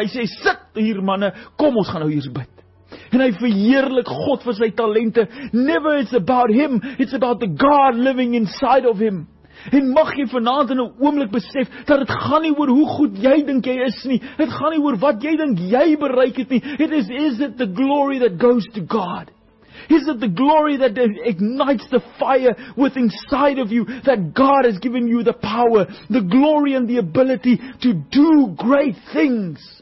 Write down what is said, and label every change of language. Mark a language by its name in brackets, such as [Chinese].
[Afrikaans] Hy sê, sit hier manne, kom ons gaan nou hier bid. En hy verheerlik God vir sy talente. [English] Never it's about him. It's about the God living inside of him. [Afrikaans] En mag jy vanaand in 'n oomblik besef, dat het gaan nie oor hoe goed jy dink jy is nie. Het gaan nie oor wat jy dink jy bereik het nie. [English] It is it the glory that goes to God. Is it the glory that ignites the fire with inside of you, that God has given you the power, the glory and the ability to do great things?